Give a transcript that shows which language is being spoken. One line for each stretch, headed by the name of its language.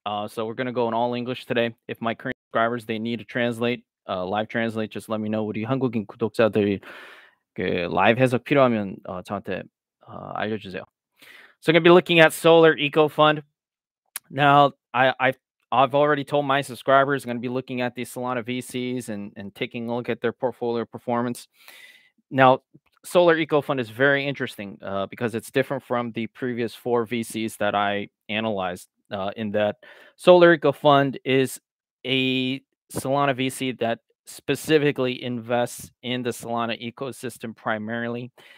English: So we're going to go in all English today. If my current subscribers, they need to translate, live translate, just let me know.
Korean: 우리 한국인 구독자들이 그 live 해석 필요하면 저한테 알려주세요.
English: So I'm going to be looking at Solar Eco Fund. Now, I've already told my subscribers I'm going to be looking at these Solana VCs and taking a look at their portfolio performance. Now, Solar Eco Fund is very interesting because it's different from the previous four VCs that I analyzed in that Solar Eco Fund is a Solana VC that specifically invests in the Solana ecosystem primarily.